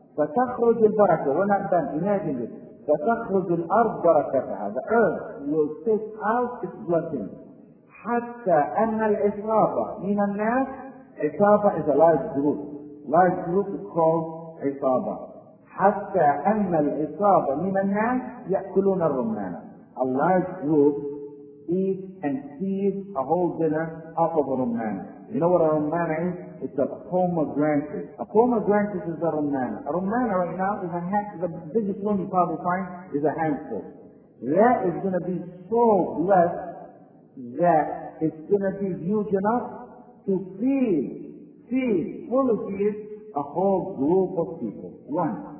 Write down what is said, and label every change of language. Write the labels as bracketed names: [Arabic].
[Arabic] فَتَخْرُجُ الْبَرَكَةُ. [English] We're not done. Imagine this. [Arabic] فَتَخْرُجُ الْأَرْضُ بَرَكَتَهَا. [English] The earth will take out its blessing. [Arabic] حتى أن الإصابة من الناس. [English] إصابة is a large group. Large group is called إصابة. [Arabic] حتى أن الإصابة من الناس يأكلون الرمان. [English] A large group eat and feed a whole dinner off of a رمان. You know what a رمان is? It's a pomegranate. A pomegranate is a رمان. A رمان right now is a handful. The biggest one you probably find is a handful. That is going to be so blessed that it's going to be huge enough to fully feed a whole group of people. One.